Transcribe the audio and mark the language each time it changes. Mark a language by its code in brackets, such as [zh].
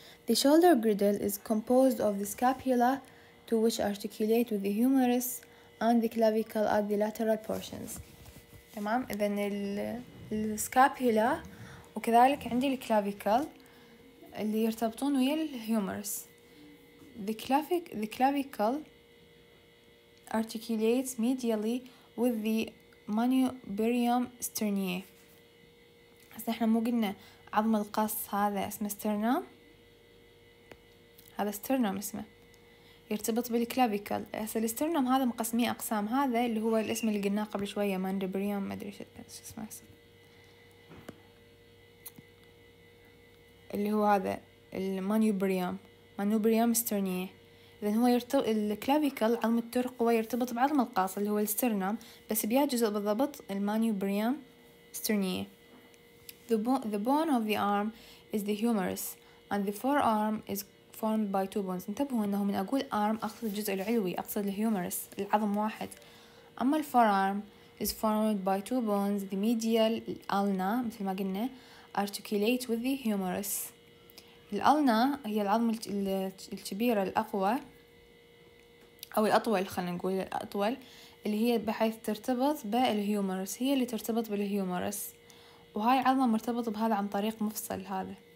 [en] The shoulder girdle is composed of the scapula to which articulate with the humerus and the clavicle at the lateral portions. [ar] تمام اذا السكابيولا وكذلك عندي الكلافيكل اللي يرتبطون ويا الهيومرس. [en] The clavicle articulates medially with the manubrium sternae. [ar] بس احنا مو قلنا عظم القص هذا اسمه sternum. هذا sternum اسمه يرتبط بالكلافيكل. هسه الاسترنوم هذا مقسمي اقسام هذا اللي هو الاسم اللي قلناه قبل شويه مانديبريوم ما ادري ايش اسمه اللي هو هذا المانيوبريوم استرنيه. اذا هو يرتبط الكلافيكل عظم الترقوه يرتبط بعظم القاص اللي هو الاسترنوم بس بيا جزء بالضبط المانيوبريوم استرنيه. [en] The bone of the arm is the humerus and the forearm is formed by two bones. [ar] انتبهوا انه من اقول arm اقصد الجزء العلوي اقصد الهيومرس العظم واحد. [en] اما الفورارم is formed by two bones the medial الالنا [ar] مثل ما قلنا [en] articulate with the humerus. [ar] الالنا هي العظم الكبيرة الاقوى او الاطول خلينا نقول الاطول اللي هي بحيث ترتبط بالهيومرس هي اللي ترتبط بالهيومرس وهاي عظمة مرتبطة بهذا عن طريق مفصل هذا.